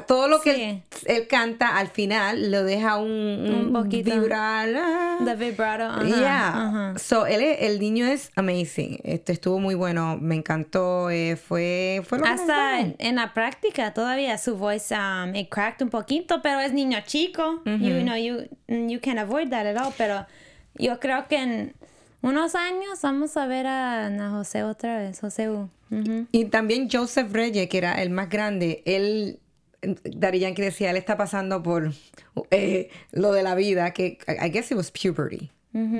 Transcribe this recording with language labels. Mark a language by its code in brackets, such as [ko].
[es] Todo lo que él canta al final lo deja un poquito vibrar. [en] The vibrato. [es] Uh-huh. Yeah. Uh-huh. So, el niño es amazing. Estuvo muy bueno. Me encantó. Fue lo hasta que hasta en la práctica todavía su voz [en] it cracked [es] un poquito, pero es niño chico. Uh-huh. [en] You know, you can't avoid that at all. [es] Pero yo creo que en unos años vamos a ver a José otra vez, José U. Uh-huh. Y también Joseph Reyes, que era el más grande, Daddy Yankee decía, él está pasando por lo de la vida, que [en] I guess it was puberty. [es] Uh-huh.